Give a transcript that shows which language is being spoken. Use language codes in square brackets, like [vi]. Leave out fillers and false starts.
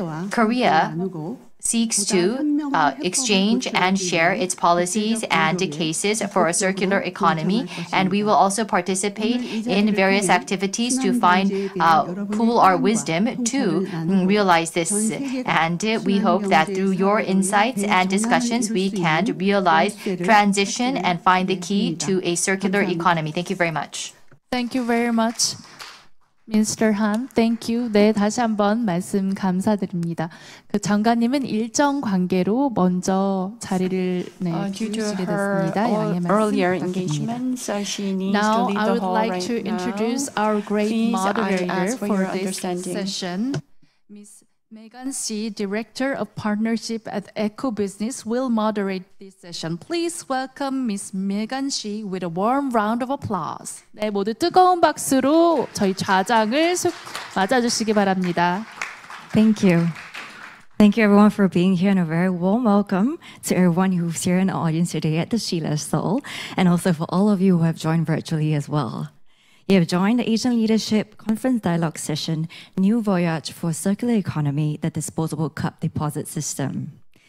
[en] Korea seeks to exchange and share its policies and cases for a circular economy, and we will also participate in various activities to find, pool our wisdom to realize this. And we hope that through your insights and discussions, we can realize transition and find the key to a circular economy. Thank you very much. Thank you very much. Mr. Han, thank you. [ko] 네, 다시 한번 말씀 감사드립니다. 그 장관님은 일정 관계로 먼저 자리를 네, 비우시게 됐습니다. 양해 말씀 부탁드립니다. [en] Now, I would like to introduce our great moderator for this session. Ms. Megan C., Director of Partnership at Eco Business, will moderate this session. Please welcome Ms. Megan C. with a warm round of applause. [ko] 네, 모두 뜨거운 박수로 저희 좌장을 맞아주시기 바랍니다. [en] Thank you. Thank you everyone for being here and a very warm welcome to everyone who's here in the audience today at the Sheila Seoul, and also for all of you who have joined virtually as well. You have joined the Asian Leadership Conference Dialogue Session, New Voyage for Circular Economy, the Disposable Cup Deposit System.